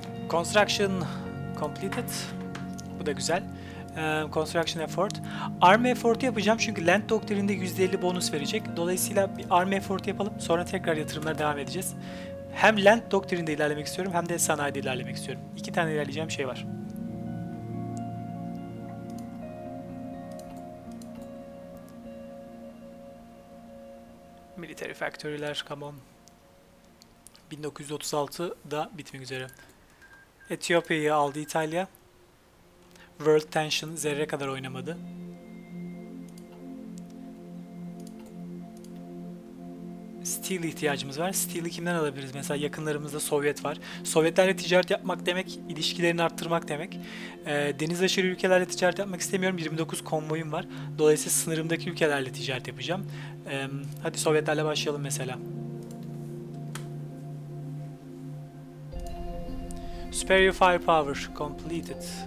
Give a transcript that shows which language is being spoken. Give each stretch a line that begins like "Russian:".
English: Construction completed.
Turkish: Bu da güzel. Construction effort. Arm effort yapacağım çünkü Land Doctrine'de %50 bonus verecek. Dolayısıyla bir arm effort yapalım. Sonra tekrar yatırımlara devam edeceğiz. Hem Land Doctrine'de ilerlemek istiyorum hem de sanayide ilerlemek istiyorum. İki tane ilerleyeceğim şey var. Military factory'ler,
English: come on.
Turkish: 1936 da bitmek üzere. Etiyopya'yı aldı İtalya. World Tension zerre kadar oynamadı. Steel ihtiyacımız var. Steel'i kimden alabiliriz? Mesela yakınlarımızda Sovyet var. Sovyetlerle ticaret yapmak demek, ilişkilerini arttırmak demek. Deniz aşırı ülkelerle ticaret yapmak istemiyorum. 29 konvoyum var. Dolayısıyla sınırımdaki ülkelerle ticaret yapacağım. Hadi Sovyetlerle başlayalım mesela.
English: Superior firepower completed.